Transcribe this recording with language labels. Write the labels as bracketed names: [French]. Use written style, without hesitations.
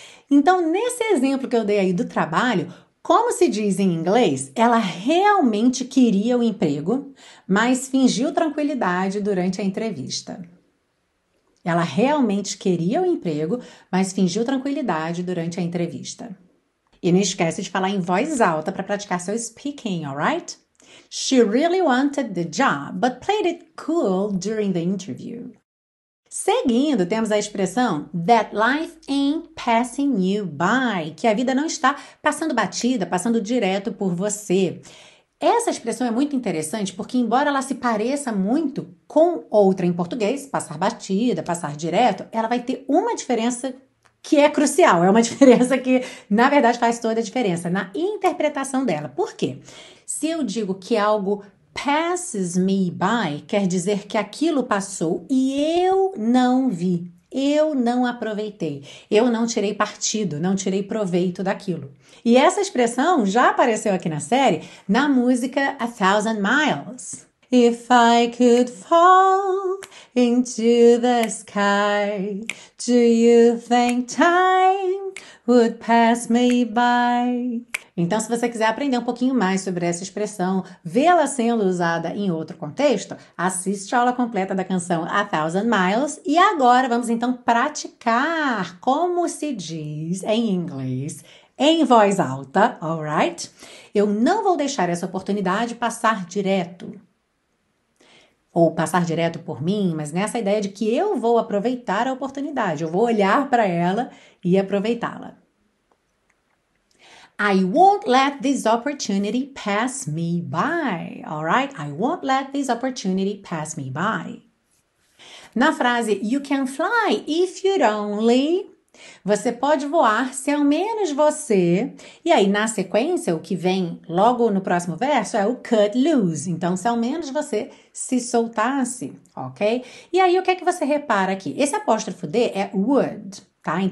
[Portuguese] Então, nesse exemplo que eu dei aí do trabalho, como se diz em inglês, ela realmente queria o emprego, mas fingiu tranquilidade durante a entrevista. Ela realmente queria o emprego, mas fingiu tranquilidade durante a entrevista. E não esquece de falar em voz alta para praticar seu speaking, alright? [English] She really wanted the job, but played it cool during the interview. [Portuguese] Seguindo, temos a expressão [English] that life ain't passing you by, [Portuguese] que a vida não está passando batida, passando direto por você. Essa expressão é muito interessante porque, embora ela se pareça muito com outra em português, passar batida, passar direto, ela vai ter uma diferença que é crucial, é uma diferença que, na verdade, faz toda a diferença na interpretação dela. Por quê? Se eu digo que algo [English] passes me by, [Portuguese] quer dizer que aquilo passou e eu não vi, eu não aproveitei, eu não tirei partido, não tirei proveito daquilo. E essa expressão já apareceu aqui na série, na música A Thousand Miles. [English] If I could fall into the sky, do you think time would pass me by? [Portuguese] Então, se você quiser aprender um pouquinho mais sobre essa expressão, vê-la sendo usada em outro contexto, assiste a aula completa da canção A Thousand Miles. E agora vamos então praticar como se diz em inglês, em voz alta, alright? Eu não vou deixar essa oportunidade passar direto. Ou passar direto por mim, mas nessa ideia de que eu vou aproveitar a oportunidade, eu vou olhar para ela e aproveitá-la. [English] I won't let this opportunity pass me by, all right? I won't let this opportunity pass me by. [Portuguese] Na frase [English] You can fly if you'd only, [Portuguese] você pode voar se ao menos você. E aí, na sequência, o que vem logo no próximo verso é o cut loose. Então, se ao menos você se soltasse, ok? E aí, o que é que você repara aqui? Esse apóstrofo D é would. Tá?